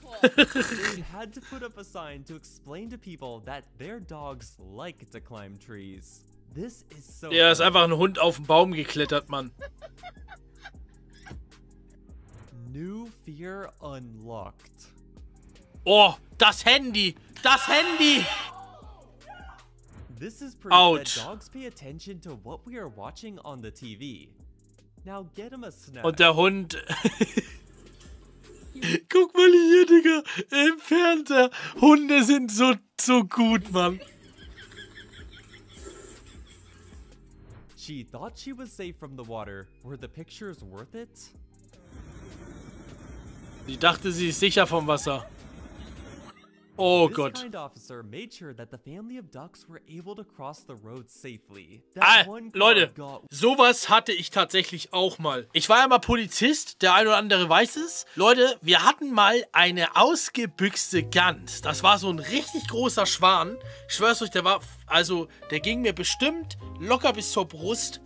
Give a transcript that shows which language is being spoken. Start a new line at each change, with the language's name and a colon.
English: We had to put up a sign to explain to people that their dogs like to climb trees. This is so.
German: Ja, ist einfach ein Hund auf den Baum geklettert, Mann.
English: New fear unlocked.
German: Oh, das Handy. Das Handy!
English: This is proof that dogs pay attention to what we are watching on the TV. Now get him a snack.
German: Und der Hund. Guck mal hier, Digga. Im Fernseher. Hunde sind so, so gut, Mann.
English: She thought she was safe from the water. Were the pictures worth it?
German: Sie dachte, sie ist sicher vom Wasser. Oh
English: this
German: Gott.
English: Kind officer made sure that the family of ducks were able to cross the road safely.
German: Leute, sowas hatte ich tatsächlich auch mal. Ich war ja mal Polizist, der ein oder andere weiß es. Leute, wir hatten mal eine ausgebüxte Gans. Das war so ein richtig großer Schwan. Ich schwör's euch, der war, also, der ging mir bestimmt locker bis zur Brust.